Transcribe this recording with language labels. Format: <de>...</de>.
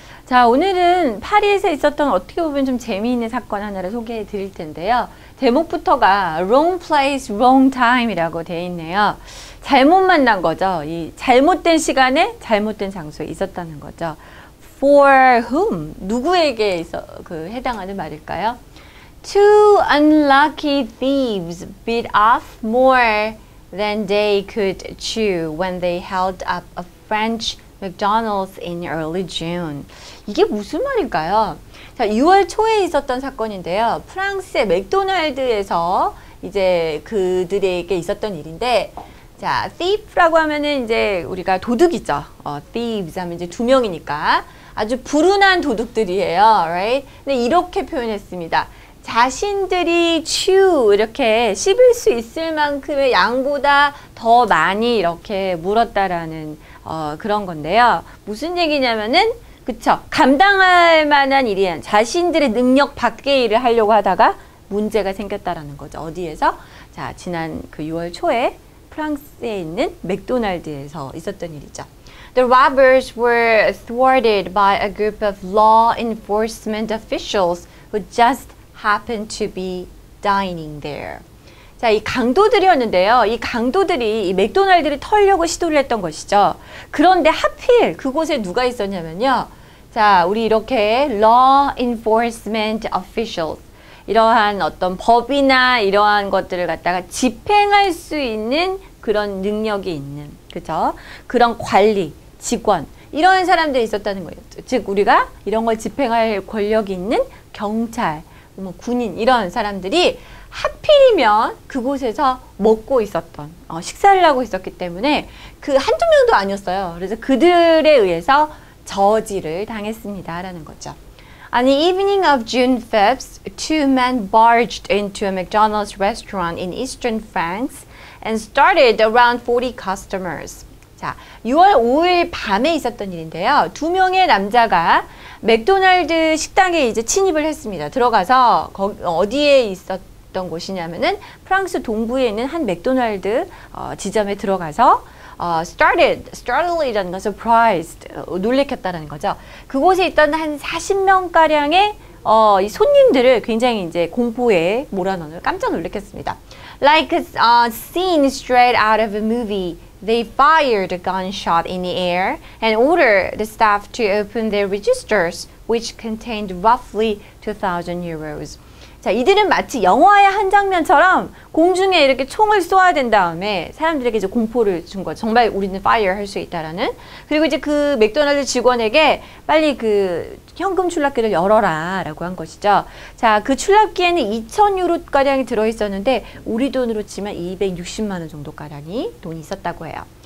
<ko>자, 오늘은 파리에서 있었던 어떻게 보면 좀 재미있는 사건 하나를 소개해 드릴 텐데요. 제목부터가</ko> <en>Wrong Place, Wrong Time</en> <ko>이라고 돼 있네요. 잘못 만난 거죠. 이 잘못된 시간에 잘못된 장소에 있었다는 거죠.</ko> <en>For whom?</en> <ko>누구에게 해당하는 말일까요?</ko> <en>Two unlucky thieves bit off more than they could chew when they held up a French McDonald's in early June.</en> <ko>이게 무슨 말일까요? 자, 6월 초에 있었던 사건인데요. 프랑스의 맥도날드에서 이제 그들에게 있었던 일인데, 자, thief라고 하면은 이제 우리가 도둑이죠. thieves 하면 이제 두 명이니까 아주 불운한 도둑들이에요.</ko> <en>Right?</en> <ko>근데 이렇게 표현했습니다. 자신들이 chew 이렇게 씹을 수 있을 만큼의 양보다 더 많이 이렇게 물었다라는 그런 건데요. 무슨 얘기냐면은 그쵸, 감당할 만한 일이 아니라 자신들의 능력 밖의 일을 하려고 하다가 문제가 생겼다라는 거죠. 어디에서? 자, 지난 그 6월 초에 프랑스에 있는 맥도날드에서 있었던 일이죠.</ko> <en>The robbers were thwarted by a group of law enforcement officials who just happened to be dining there.</en> <ko>자, 이 강도들이었는데요. 이 강도들이 이 맥도날드를 털려고 시도를 했던 것이죠. 그런데 하필 그곳에 누가 있었냐면요. 자, 우리 이렇게 law enforcement officials, 이러한 어떤 법이나 이러한 것들을 갖다가 집행할 수 있는 그런 능력이 있는, 그죠? 그런 관리, 직원, 이런 사람들이 있었다는 거예요. 즉, 우리가 이런 걸 집행할 권력이 있는 경찰, 뭐 군인, 이런 사람들이 하필이면 그곳에서 먹고 있었던, 식사를 하고 있었기 때문에 그 한두 명도 아니었어요. 그래서 그들에 의해서 저지를 당했습니다. 라는 거죠.</ko> <en>On the evening of June 5th, two men barged into a McDonald's restaurant in eastern France and started around 40 customers.</en> <ko>자, 6월 5일 밤에 있었던 일인데요. 두 명의 남자가 맥도날드 식당에 이제 침입을 했습니다. 들어가서 어디에 있었던 곳이냐면은 프랑스 동부에 있는 한 맥도날드 지점에 들어가서 startled이라는 건 surprised, 놀래켰다라는 거죠. 그곳에 있던 한 40명가량의 이 손님들을 굉장히 이제 공포에 몰아넣는, 깜짝 놀래켰습니다.</ko> <en>Like a scene straight out of a movie. They fired a gunshot in the air and ordered the staff to open their registers, which contained roughly 2,000 euros.</en> <ko>자, 이들은 마치 영화의 한 장면처럼 공중에 이렇게 총을 쏘아댄 다음에 사람들에게 이제 공포를 준 거죠. 정말 우리는 fire 할 수 있다라는. 그리고 이제 그 맥도날드 직원에게 빨리 그 현금 출납기를 열어라 라고 한 것이죠. 자, 그 출납기에는 2,000 유로가량이 들어있었는데 우리 돈으로 치면 260만 원 정도가량이 돈이 있었다고 해요.</ko>